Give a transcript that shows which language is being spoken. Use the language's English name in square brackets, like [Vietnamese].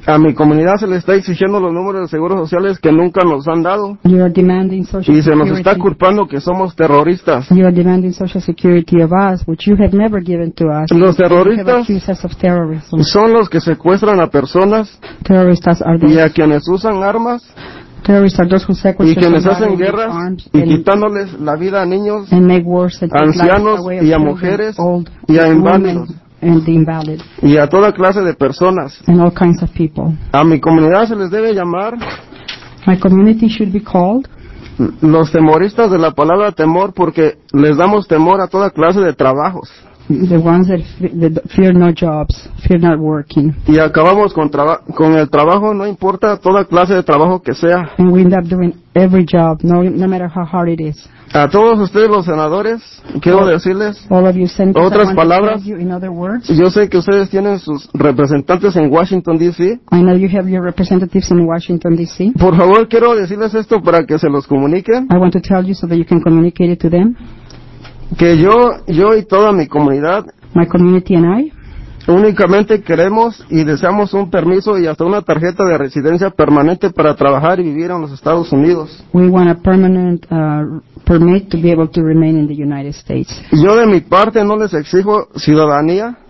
[Spanish] A mi comunidad se le está exigiendo los números de seguros sociales que nunca nos han dado. [English] You are demanding social security. [Spanish] Y se nos está culpando que somos terroristas. [English] You are demanding social security of us, which you have never given to us. [Spanish] Los terroristas [English] you have accused us of terrorism. [Spanish] Son los que secuestran a personas. [English] Terroristas are those. [Spanish] Y a quienes usan armas. [English] Terrorists are those who sequester [Spanish] y quienes hacen guerras y quitándoles la vida a niños, [English] and make worse, and [Spanish] ancianos [English] life away [Spanish] y a mujeres [English] old, [Spanish] y a inválidos. [English] And the invalid. [Spanish] Y a toda clase de personas. [English] And all kinds of people. [Spanish] A mi comunidad se les debe llamar. [English] My community should be called. [Spanish] Los temoristas de la palabra temor, porque les damos temor a toda clase de trabajos. [English] The ones that, that fear no jobs, fear not working. [Spanish] Y acabamos con el trabajo, no importa toda clase de trabajo que sea. [English] And we end up doing every job, no matter how hard it is. [Spanish] A todos ustedes los senadores, quiero decirles, [English] all of you senators, [Spanish] otras palabras, [English] you in other words, [Spanish] yo sé que ustedes tienen sus representantes en Washington, D.C. [English] I know you have your representatives in Washington, D.C. [Spanish] Por favor, quiero decirles esto para que se los comuniquen. [English] I want to tell you so that you can communicate it to them. [Spanish] Que yo y toda mi comunidad, [English] my community and I, [Spanish] únicamente queremos y deseamos un permiso y hasta una tarjeta de residencia permanente para trabajar y vivir en los Estados Unidos. [English] We want a permanent permit to be able to remain in the United States. [Spanish] Yo de mi parte no les exijo ciudadanía.